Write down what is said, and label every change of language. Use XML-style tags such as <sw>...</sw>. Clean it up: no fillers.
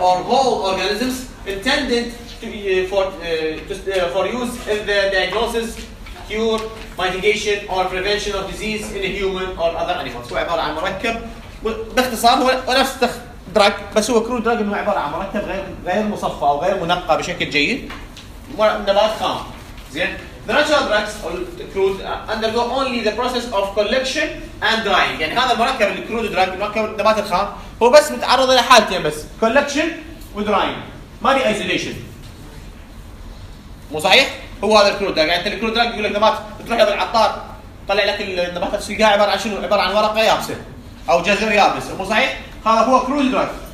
<en>whole organisms intended to be for use in the diagnosis cure mitigation or prevention of disease in a human or other animals.</en> <ar>هو عبارة عن مركب باختصار هو نفس دراج بس هو كرود دراج انه عبارة عن مركب غير مصفى او غير منقى بشكل جيد نبات خام زين.</ar> <en>The natural drugs or crude undergo only the process of collection and drying.</en> <ar>يعني هذا المركب الكرود دراج المركب النبات الخام هو بس متعرض لحالتين بس collection و drying ما بي isolation مو صحيح؟ هو هذا الكرود دراج. يعني الكرود دراج يقول لك نبات تروح إلى العطار طلع لك النبات تلقاه عبارة عن شنو؟ عبارة عن ورقة يابسة أو جذر يابس مو صحيح؟ هذا هو كرود دراج.</ar>